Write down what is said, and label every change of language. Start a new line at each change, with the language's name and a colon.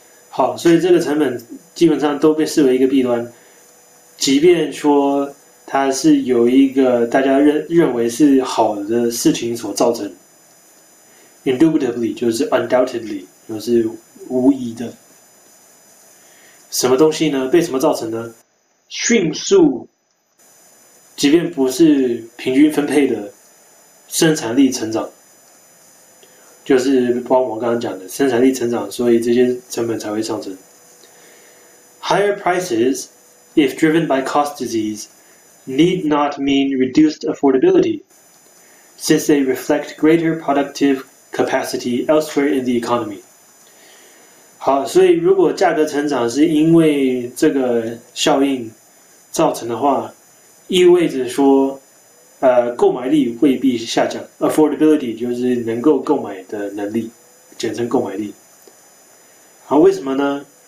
Chinese: 好，所以这个成本基本上都被视为一个弊端，即便说它是有一个大家认为是好的事情所造成，indubitably 就是 undoubtedly 就是无疑的。什么东西呢？被什么造成呢？迅速，即便不是平均分配的生产力成长。就是包括我刚刚讲的生产力成长，所以这些成本才会上升。
English: Higher prices, if driven by cost disease, need not mean reduced affordability, since they reflect greater productive capacity elsewhere in the economy.
Chinese: 好，所以如果价格成长是因为这个效应造成的话，意味着说。购买力未必下降，affordability 就是能够购买的能力，简称购买力。好，为什么呢？